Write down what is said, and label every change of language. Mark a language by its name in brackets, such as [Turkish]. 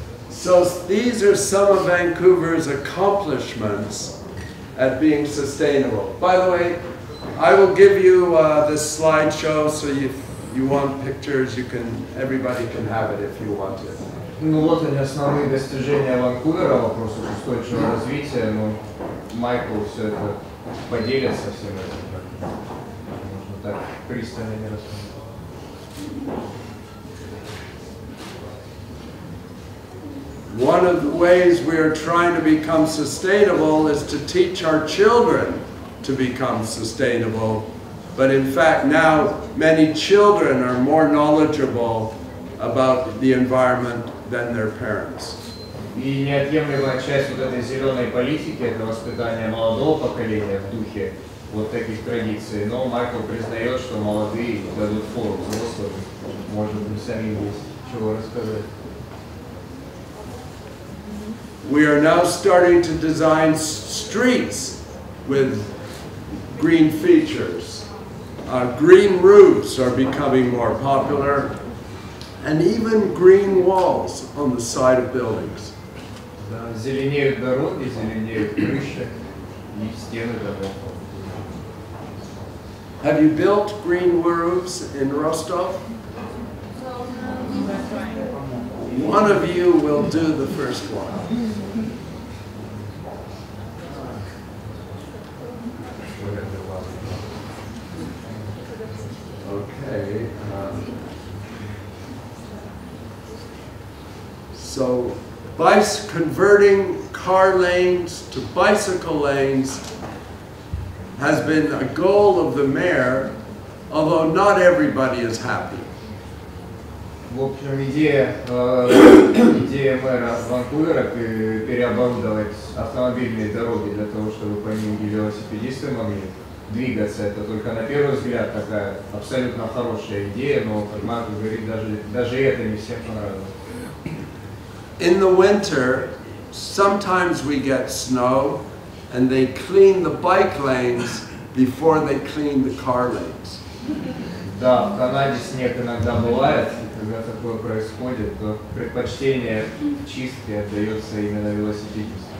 [English] So these are some of Vancouver's accomplishments at being sustainable. By the way, I will give you this slideshow, so if you want pictures, you can. Everybody can have it if you want it. [Russian] Ну вот они основные достижения Ванкувера в вопросе устойчивого развития. Но Майкл все это поделится всем этим. Можно так пристально не [English] One of the ways we are trying to become sustainable is to teach our children to become sustainable. But in fact, now many children are more knowledgeable about the environment than their parents. [Russian] И неотъемлемая часть вот этой зеленой политики — это воспитание молодого поколения в духе вот таких традиций. Но Майкл признает, что молодые дадут фору взрослым, может быть, самим есть чего рассказать. [English] We are now starting to design streets with green features. Green roofs are becoming more popular, and even green walls on the side of buildings. [Russian] Зеленеют дороги, зеленеют крыши, и стены домов. [English] Have you built green roofs in Ростов? One of you will do the first one. Okay. So, converting car lanes to bicycle lanes has been a goal of the mayor, although not everybody is happy. [Russian] В общем, идея мэра Ванкувера — переоборудовать автомобильные дороги для того, чтобы по ним велосипедисты могли двигаться. Это только на первый взгляд такая абсолютно хорошая идея, но, как Марк говорит, даже это не всем понравилось. [English] In the winter, sometimes we get snow, and they clean the bike lanes before they clean the car lanes. [Russian] Да, в Канаде снег иногда бывает, и когда такое происходит, то предпочтение чистки отдается именно велосипедистам.